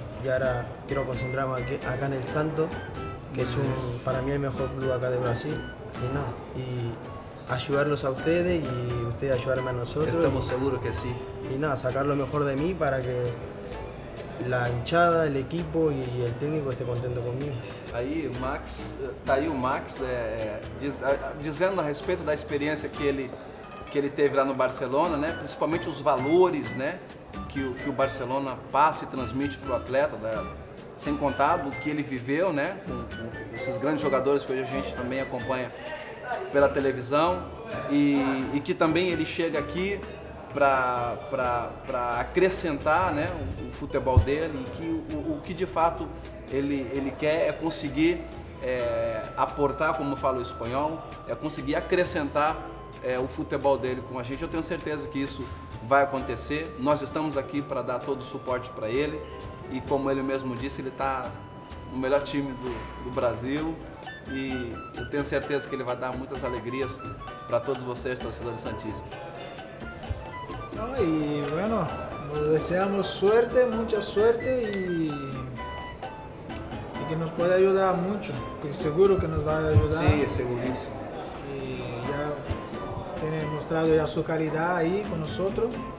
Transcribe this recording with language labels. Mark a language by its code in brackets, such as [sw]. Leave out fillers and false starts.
[es] Y ahora quiero concentrarme aquí, acá en el Santos, que es para mí el mejor club acá de Brasil. Y nada, y ayudarlos a ustedes y ustedes ayudarme a nosotros. Estamos seguros que sí. Y nada, sacar lo mejor de mí para que la hinchada, el equipo y el técnico esté contento conmigo. [pt] Aí Max, tá aí o Max dizendo a respeito da experiência que ele teve lá no Barcelona, né? Principalmente os valores, né? Que o Barcelona passa e transmite para o atleta, né? Sem contar do que ele viveu, né? Com esses grandes jogadores que hoje a gente também acompanha pela televisão e que também ele chega aqui para acrescentar, né? O futebol dele e que o que de fato ele quer é conseguir aportar, como fala o espanhol, é conseguir acrescentar o futebol dele com a gente. Eu tenho certeza que isso vai acontecer. Nós estamos aqui para dar todo o suporte para ele. E como ele mesmo disse, ele está no melhor time do Brasil. E eu tenho certeza que ele vai dar muitas alegrias para todos vocês, torcedores santistas. [es] E, bueno, nos [pt] desejamos [es] suerte, [pt] muita [es] suerte que nos puede ayudar mucho, seguro que nos va a ayudar. Sí, es segurísimo. Y ya tiene mostrado ya su calidad ahí con nosotros.